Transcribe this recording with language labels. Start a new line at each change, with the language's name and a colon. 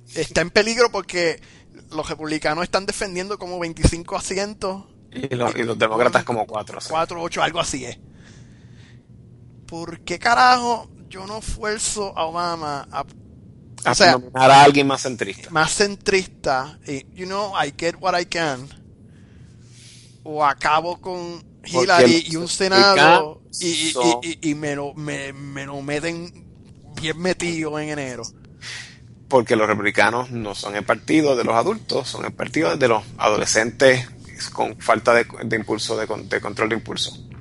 Spanish: Está en peligro porque los republicanos están defendiendo como 25 asientos. Y los demócratas como 4. 4, 8, algo así es. ¿Por qué carajo yo no fuerzo a Obama a nominar a alguien más centrista? Más centrista.
English: Y, you know, I get what I can.
Spanish: O acabo con Hillary y un Senado y me lo meten bien metido en enero. Porque los republicanos no son el partido de los adultos, son el partido de los adolescentes con falta de impulso, de control de impulso.